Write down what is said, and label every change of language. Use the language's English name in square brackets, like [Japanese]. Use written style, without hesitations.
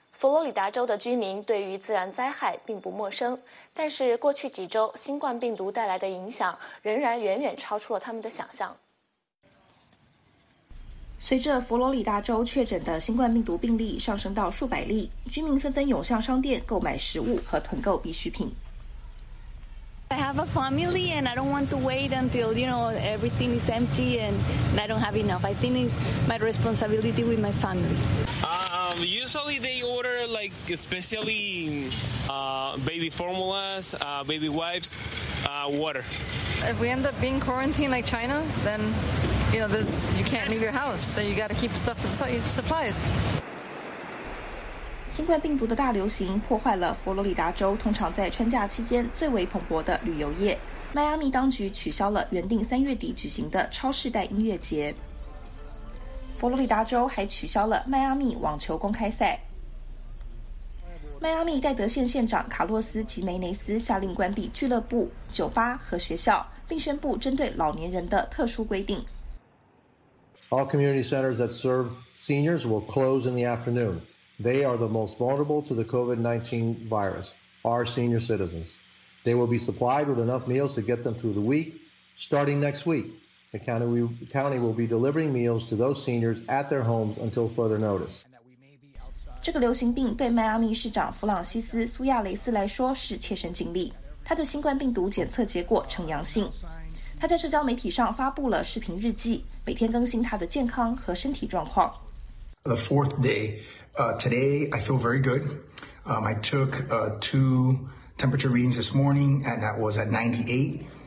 [Chinese] 罗里达州的居民对于自然灾害并不陌生，但是过去几周新冠病毒带来的影响仍然远远超出了他们的想象。随着佛罗里达州确诊的新冠病毒病例上升到数百例，居民纷纷涌向商店购买食物和囤购必需品。 [English] I have a family and I don't want to wait until, you know, everything is empty and I don't have enough. I think it's my responsibility with my family. Usually they order like especially baby formulas, baby wipes, water. If we end up being quarantined like China, then, you know, this, you can't leave your house. So you got to keep stuff aside, supplies. [Chinese] 新冠病毒的大流行破坏了佛罗里达州通常在春假期间最为蓬勃的旅游业。迈阿密当局取消了原定三月底举行的超世代音乐节。佛罗里达州还取消了迈阿密网球公开赛。迈阿密戴德县县长卡洛斯·吉梅内斯下令关闭俱乐部、酒吧和学校，并宣布针对老年人的特殊规定。 [English] All community centers that serve seniors will close in the afternoon. They are the most vulnerable to the COVID-19 virus, our senior citizens. They will be supplied with enough meals to get them through the week. Starting next week, the county will be delivering meals to those seniors at their homes until further notice. [Chinese] 这个流行病对迈阿密市长弗朗西斯·苏亚雷斯来说是切身经历。他的新冠病毒检测结果呈阳性。他在社交媒体上发布了视频日记，每天更新他的健康和身体状况。 [English] The fourth day,today, I feel very good. I took two temperature readings this morning, and that was at 98.